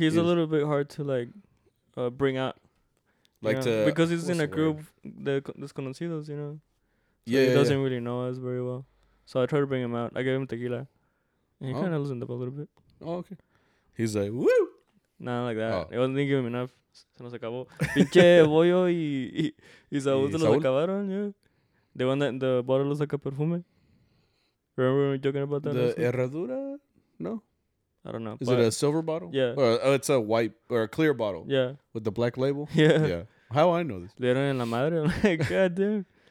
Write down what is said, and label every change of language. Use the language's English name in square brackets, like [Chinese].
[English] He's a little bit hard to like bring out, like, you know, because he's in a group de desconocidos, you know. So yeah, he doesn't really know us very well, so I try to bring him out. I gave him tequila, and he kind of loosened up a little bit. Oh, okay. He's like, woo. Nah, like that. Oh. It wasn't giving him enough. [Spanish] Se nos acabó. Pinche bollo y Saúl se los acabaron. [English] Yeah, the one that the bottle looks like a perfume. Remember we were joking about that? The herradura. No, I don't know. Is it a silver bottle? Yeah, or it's a white or a clear bottle. Yeah, with the black label. Yeah, yeah. How I know this? [Spanish] Le dieron en la madre. I'm like, God damn.